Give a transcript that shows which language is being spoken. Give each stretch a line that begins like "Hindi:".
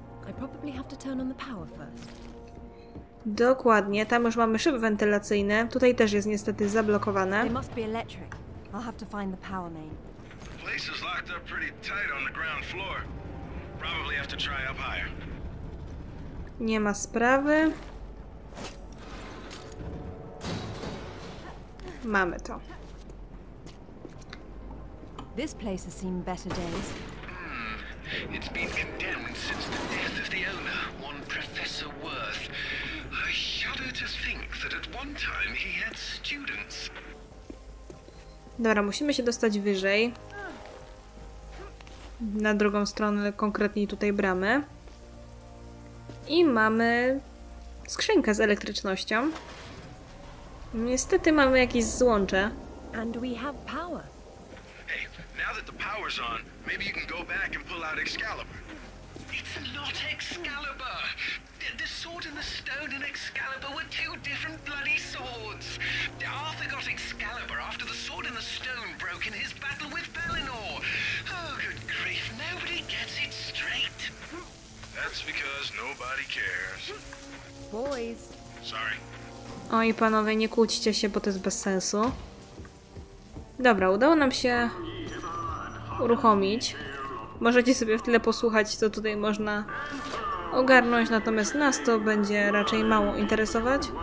English: I probably have to turn on the power first.
Polish: Dokładnie, tam już mamy szyby wentylacyjne. Tutaj też jest niestety zablokowane.
English: It must be electric. I'll have to find the power main. Place is locked up pretty tight on the ground floor. Probably have to try up higher.
Polish: Nie ma sprawy. Mamy to.
English: This place has seen better days. It's been condemned since the death of the owner, one Professor Worth. I shudder to think that at one time he had students.
Polish: Dobra, musimy się dostać wyżej. Na drugą stronę konkretnie tutaj bramy. I mamy skrzynkę z elektrycznością. Niestety mamy jakieś złącze.
English: And we have power. Now that the power's on, maybe you can go back and pull out Excalibur. It's not Excalibur! The sword in the stone and Excalibur were two different bloody swords! Arthur got Excalibur after the sword in the stone broke in his battle with Pelennor! Oh, good grief, nobody gets it straight! That's because nobody cares. Boys! Sorry.
Polish: Oj, panowie, nie kłóćcie się, bo to jest bez sensu. Dobra, udało nam się uruchomić. Możecie sobie w tyle posłuchać, co tutaj można ogarnąć, natomiast nas to będzie raczej mało interesować.